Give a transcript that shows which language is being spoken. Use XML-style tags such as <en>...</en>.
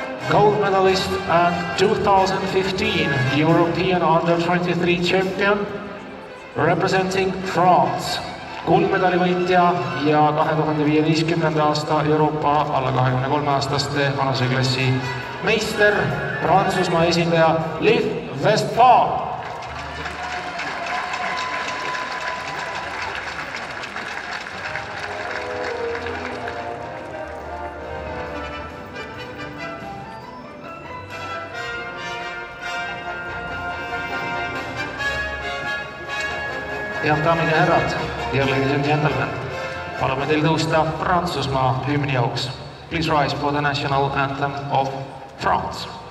<en>Gold medalist and 2015 European Under 23 champion representing France.</en> <et>Kuldmedali võitja ja 2015. aasta Euroopa alla 23 aastaste vanuseklassi meister, Prantsusmaa esindaja Liv Westphal. Ja daamid ja herrad,</et> <en>dear ladies and gentlemen,</en> <et>palume teil tõusta Prantsusmaa hümni jaoks.</et> <en>Please rise for the national anthem of France.</en>